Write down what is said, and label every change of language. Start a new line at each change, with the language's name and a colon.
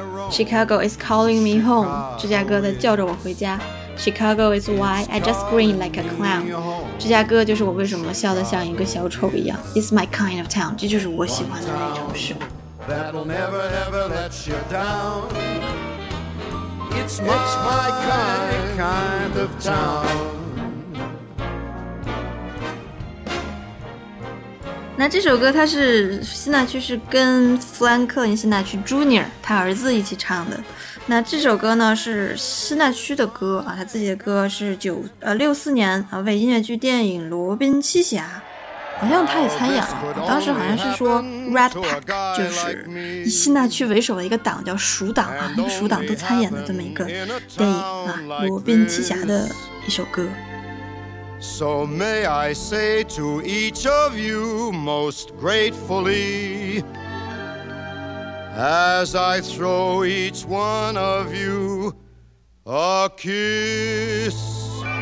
English: Chicago is calling me home.
Chinese: 芝加哥在叫着我回家。
English: Chicago is why I just grin like a clown.
Chinese: 芝加哥就是我为什么笑得像一个小丑一样。
English: It's my kind of town.
Chinese: 这就是我喜欢的那种事。
English: That'll never ever let you down. It's my kind of town.
Chinese: 那这首歌他是辛纳屈是跟富兰克林辛纳屈 Jr. 他儿子一起唱的。那这首歌呢是辛纳屈的歌啊，他自己的歌是1964年啊，为音乐剧电影罗宾七侠，好像他也参演了，当时好像是说 Red Pack， 就是以辛纳屈为首的一个党叫蜀党啊，那个蜀党都参演的这么一个电影啊，罗宾七侠的一首歌。
English: So may I say to each of you most gratefully, as I throw each one of you a kiss.